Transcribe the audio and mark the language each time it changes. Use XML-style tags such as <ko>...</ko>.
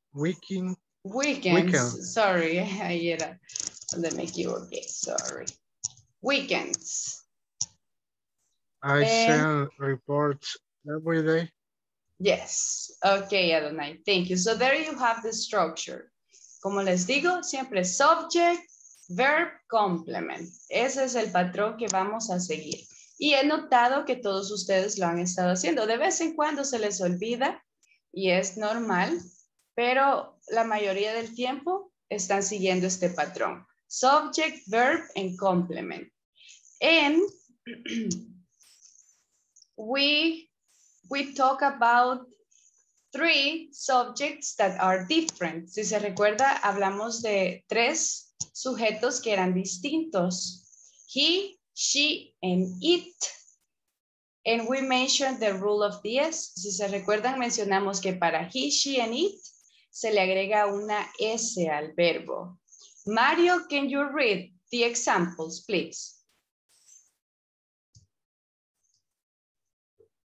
<en>Sorry, Ayera. Let me equivocate, sorry. Weekends. I send reports every day. Yes, okay, Adonai, thank you. So there you have the structure.</en> <es>Como les digo, siempre</es> <en>subject, verb, complement.</en> <es>Ese es el patrón que vamos a seguir. Y he notado que todos ustedes lo han estado haciendo. De vez en cuando se les olvida y es normal, pero la mayoría del tiempo están siguiendo este patrón.</es> <en>Subject, verb, and complement. And we talk about three subjects that are different.</en> <es>Si se recuerda, hablamos de tres sujetos que eran distintos.</es> <en>He, she, and it. And we mentioned the rule of the S.</en> <es>Si se recuerdan, mencionamos que para</es> <en>he, she, and it,</en> <es>se le agrega una S al verbo.</es> <en>Mario, can you read the examples, please? Uh,</en>